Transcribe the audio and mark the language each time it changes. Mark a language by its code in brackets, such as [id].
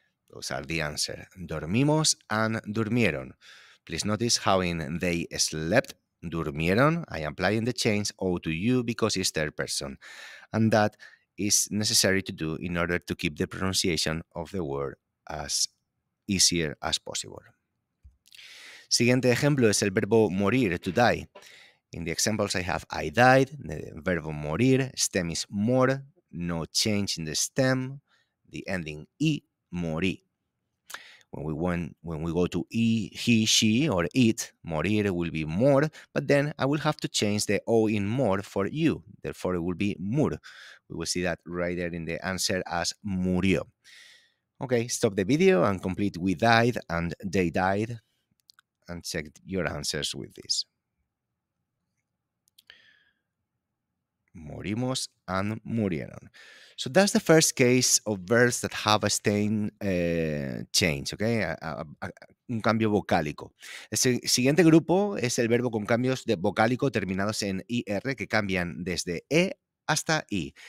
[en] Those are the answer. Dormimos and durmieron. Please notice how in they slept, durmieron, I am applying the change O to you because it's third person. And that is necessary to do in order to keep the pronunciation of the word as easier as possible. [es] Siguiente ejemplo es el verbo morir, [en] to die. In the examples I have I died, the verbo morir, stem is mor, no change in the stem, the ending I, morí. When we go to I, he, she, or it, morir will be mor, but then I will have to change the O in mor for you. Therefore, it will be mur. We will see that right there in the answer as murió. Okay, stop the video and complete we died and they died and check your answers with this. Morimos and murieron. So that's the first case of verbs that have a stem change, okay? [es] Un cambio vocálico. El siguiente grupo es el verbo con cambios de vocálico terminados en IR que cambian desde E hasta I.